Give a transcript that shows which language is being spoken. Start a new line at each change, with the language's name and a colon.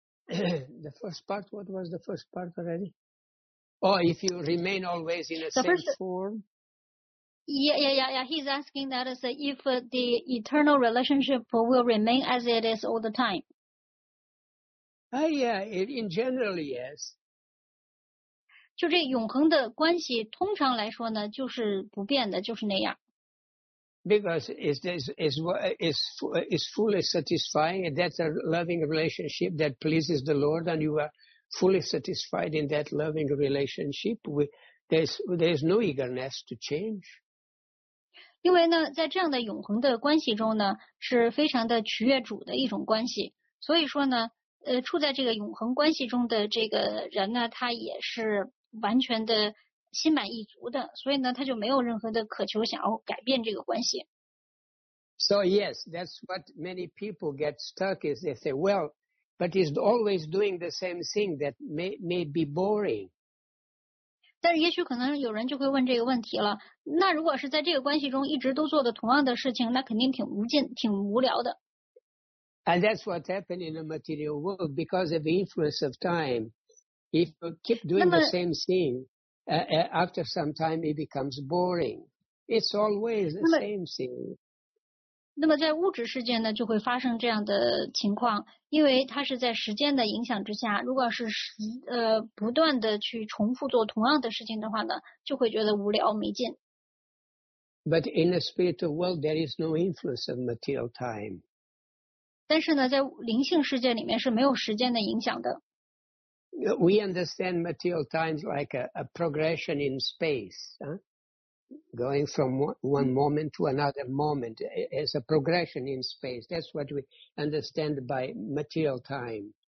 English: the first part, what was the first part already? Oh, if you remain always in the same form. Yeah. He's asking that is if the eternal relationship will remain as it is all the time. In general, yes.
Chinese: 就这永恒的关系，通常来说呢，就是不变的，就是那样。
English: Because is fully satisfying, and that's a loving relationship that pleases the Lord, and you are fully satisfied in that loving relationship. There's no eagerness to change.
Chinese: 因为呢，在这样的永恒的关系中呢，是非常的取悦主的一种关系。所以说呢，处在这个永恒关系中的这个人呢，他也是完全的心满意足的，所以呢，他就没有任何的渴求想要改变这个关系。
English: So yes, that's what many people get stuck is they say, well, but he's always doing the same thing that may be boring.
Chinese: 但是也许可能有人就会问这个问题了，那如果是在这个关系中一直都做的同样的事情，那肯定挺无尽，挺无聊的。
English: And that's what happened in the material world because of the influence of time. If you keep doing the same thing, after some time it becomes boring. It's always the same thing.
Chinese: 那么在物质世界呢，就会发生这样的情况，因为它是在时间的影响之下，如果是不断的去重复做同样的事情的话呢，就会觉得无聊没劲。
English: But in the spiritual world, there is no influence of material time.
Chinese: 但是呢，在灵性世界里面是没有时间的影响的。
English: We understand material times like a progression in space, going from one moment to another moment. It's a progression in space. That's what we understand by material time.